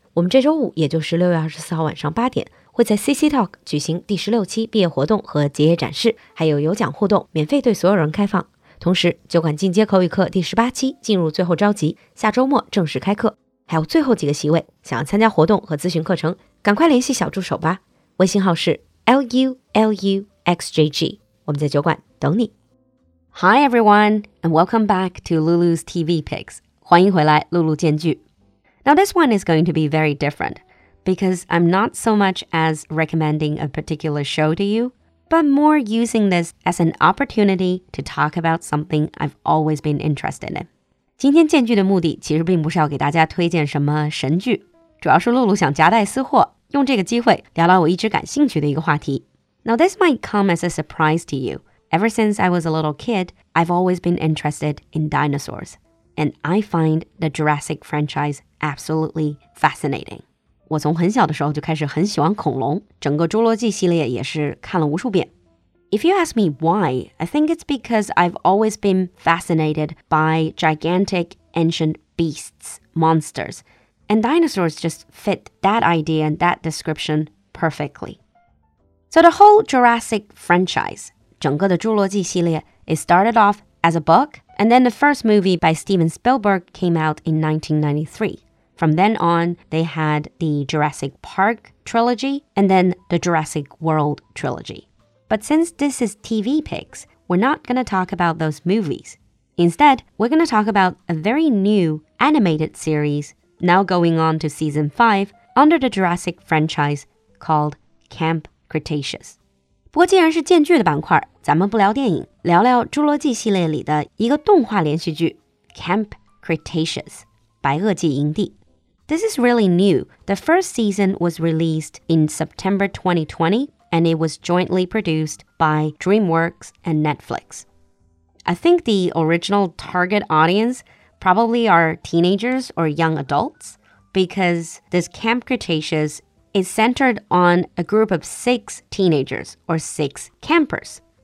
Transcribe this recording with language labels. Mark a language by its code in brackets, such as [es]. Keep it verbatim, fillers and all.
[zh] 我们这周五，也就是六月二十四号晚上八点，会在 C C Talk 举行第十六期毕业活动和结业展示，还有有奖互动，免费对所有人开放。同时，酒馆进阶口语课第十八期进入最后召集，下周末正式开课，还有最后几个席位，想要参加活动和咨询课程，赶快联系小助手吧。微信号是 L U L U X J G。我们在酒馆等你。 [en] Hi everyone, and welcome back to Lulu's T V Picks. [zh] 欢迎回来，露露见剧。 [en] Now this one is going to be very different, because I'm not so much as recommending a particular show to you, but more using this as an opportunity to talk about something I've always been interested in. [zh] 今天见剧的目的其实并不是要给大家推荐什么神剧，主要是露露想夹带私货，用这个机会聊聊我一直感兴趣的一个话题。 [en] Now, this might come as a surprise to you. Ever since I was a little kid, I've always been interested in dinosaurs. And I find the Jurassic franchise absolutely fascinating. [zh] 我从很小的时候就开始很喜欢恐龙，整个侏罗纪系列也是看了无数遍。 [en] If you ask me why, I think it's because I've always been fascinated by gigantic ancient beasts, monsters. And dinosaurs just fit that idea and that description perfectly. So the whole Jurassic franchise, [zh] 整个的侏罗纪系列 [en] it started off as a book, and then the first movie by Steven Spielberg came out in nineteen ninety-three. From then on, they had the Jurassic Park trilogy, and then the Jurassic World trilogy. But since this is T V picks, we're not going to talk about those movies. Instead, we're going to talk about a very new animated series, now going on to season five, under the Jurassic franchise called Camp Cretaceous. [zh] 不过既然是见剧的板块，咱们不聊电影，聊聊侏罗纪系列里的一个动画连续剧 Camp Cretaceous 白垩纪营地。 [en] This is really new. The first season was released in September twenty twenty, and it was jointly produced by DreamWorks and Netflix. I think the original target audience probably are teenagers or young adults, because this Camp Cretaceous is centered on a group of six teenagers, or six campers.